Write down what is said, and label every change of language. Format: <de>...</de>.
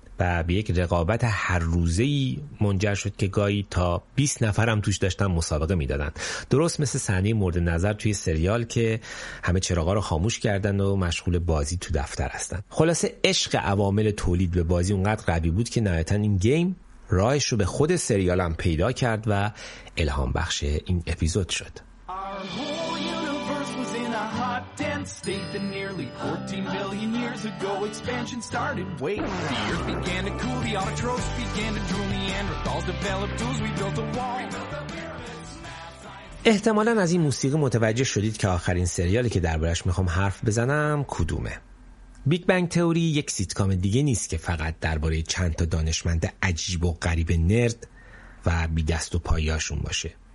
<fa>و به یک رقابت هر روزه‌ای منجر شد که گاهی تا 20 نفر هم توش داشتن مسابقه میدادن، درست مثل صحنه مورد نظر توی سریال که همه چراغا رو خاموش کردن و مشغول بازی تو دفتر هستن. خلاصه عشق عوامل تولید به بازی اونقدر قوی بود که نهایتاً این گیم راهش رو به خود سریال هم پیدا کرد و الهام بخش این اپیزود شد.</fa> <en>State that nearly 14 billion years ago expansion started. Wait, the earth began to cool, the autotrophs began to drool, Neanderthals developed tools, we built a wall.</en> <fa>احتمالاً از این موسیقی متوجه شدید که آخرین سریالی که دربارش میخوام حرف بزنم کدومه. بیگ بنگ تئوری یک سیتکام دیگه نیست که فقط درباره چند تا دانشمند عجیب و غریب نرد و بی دست و پایاشون باشه.</fa>